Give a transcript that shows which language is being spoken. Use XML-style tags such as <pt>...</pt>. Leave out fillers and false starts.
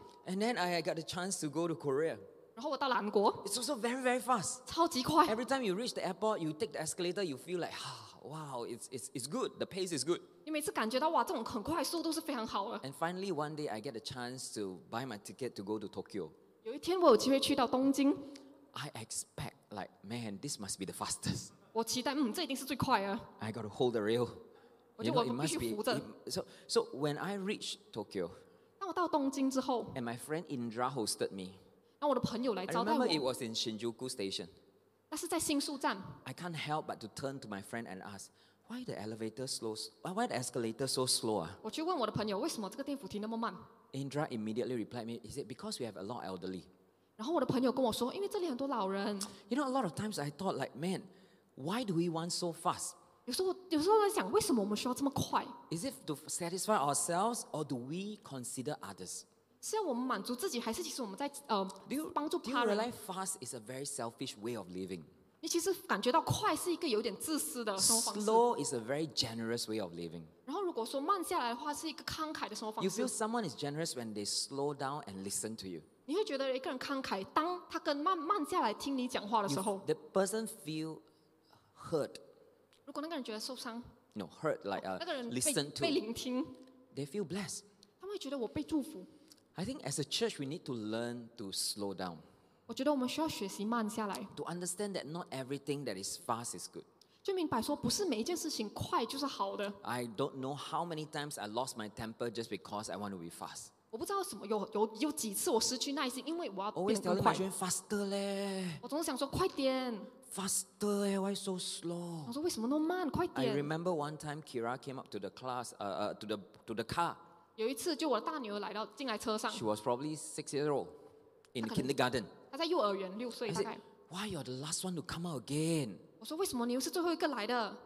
<en>And then I got a chance to go to Korea.</en> <zh>然后我到韩国。</zh> <en>It's also very very fast.</en> <zh>超级快。</zh> <en>Every time you reach the airport, you take the escalator, you feel like, wow, it's good. The pace is good.</en> <zh>你每次感觉到哇，这种很快速度是非常好的。</zh> <en>And finally, one day I get a chance to buy my ticket to go to Tokyo.</en> <zh>有一天我有机会去到东京。</zh> <en>I expect, like, man, this must be the fastest.</en> <zh>我期待，这一定是最快的。</zh> <en>I got to hold the rail.</en> <zh>我就必须扶着。</zh> <en>So when I reached Tokyo,</en> <zh>当我到东京之后,</zh> <en>and my friend Indra hosted me,</en> <zh>让我的朋友来招待我。</zh> <en>I remember it was in Shinjuku Station.</en> <zh>那是在新宿站。</zh> <en>I can't help but to turn to my friend and ask, why the elevator slows? Why the escalator so slow?</en> <zh>我去问我的朋友，为什么这个电扶梯那么慢？</zh> <en>Indra immediately replied me, is it because we have a lot of elderly?</en> <zh>然后我的朋友跟我说，因为这里很多老人。</zh> <en>You know, a lot of times I thought, like, man, why do we want so fast?</en> <zh>有时候我在想，为什么我们需要这么快？</zh> <en>Is it to satisfy ourselves or do we consider others?</en> <zh>是要我们满足自己，还是其实我们在帮助他人？</zh> <en>Do you realize fast is a very selfish way of living?</en> <zh>你其实感觉到快是一个有点自私的生活方式。</zh> <en>Slow is a very generous way of living.</en> <zh>然后如果说慢下来的话，是一个慷慨的生活方式。</zh> <en>You feel someone is generous when they slow down and listen to you.</en> <zh>你会觉得一个人慷慨，当他慢下来听你讲话的时候。</zh> <en>The person feel hurt.</en> <zh>如果那个人觉得受伤。</zh> <en>No, hurt, like listen to.</en> <zh>被聆听。</zh> <en>They feel blessed.</en> <zh>他们会觉得我被祝福。</zh> <en>I think as a church, we need to learn to slow down.</en> <zh>我觉得我们需要学习慢下来。</zh> <en>To understand that not everything that is fast is good.</en> <zh>就明白说，不是每一件事情快就是好的。</zh> <en>I don't know how many times I lost my temper just because I want to be fast.</en> <zh>我不知道什么有几次我失去耐心，因为我要变得快。</zh> <en>Always telling my children faster 嘞。</en> <zh>我总是想说快点。</zh> <en>Faster 嘞， why so slow?</en> <zh>我说为什么那么慢，快点。</zh> <en>I remember one time Kira came up to the class, to the car.</en> <zh>有一次就我的大女儿来到进来车上。</zh> <en>She was probably 6 years old in kindergarten.</en> <zh>她在幼儿园六岁大概。</zh> <en>I said, why you're the last one to come out again?</en> <zh>我说为什么你又是最后一个来的？</zh>